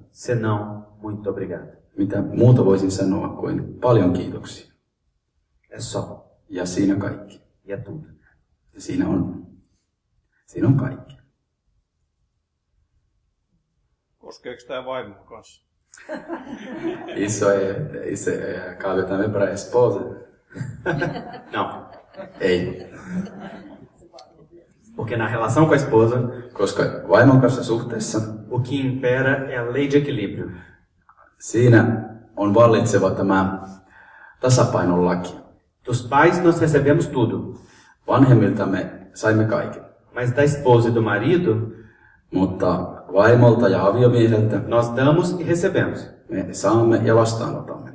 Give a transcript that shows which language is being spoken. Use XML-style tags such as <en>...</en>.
<pt>Senão, muito obrigado.</pt> <fi>Mitä muuta voisin sanoa kuin paljon kiitoksia.</fi> <pt>È só.</pt> <fi>Ja siinä kaikki. Ja tutto. Ja siinä on. Siinä on kaikki. Koskeeko tämä vaimo kanssa?</fi> <pt>Isso é, isso é, cabe também para a esposa. Não.</pt> <fi>Ei.</fi> <pt>Porque na relação com a esposa,</pt> <fi>koska vaimon kanssa suhteessa,</fi> <pt>o que impera é a lei de equilíbrio.</pt> <fi>Siinä on vallitseva tämä tasapainon laki.</fi> <pt>Dos pais nós recebemos tudo.</pt> <fi>Vanhemmilta me saimme kaiken.</fi> <pt>Mas da esposa e do marido,</pt> <fi>mutta vaimolta ja aviomieheltä,</fi> <pt>nós damos e recebemos.</pt> <fi>Me saamme ja vastaanotamme.</fi>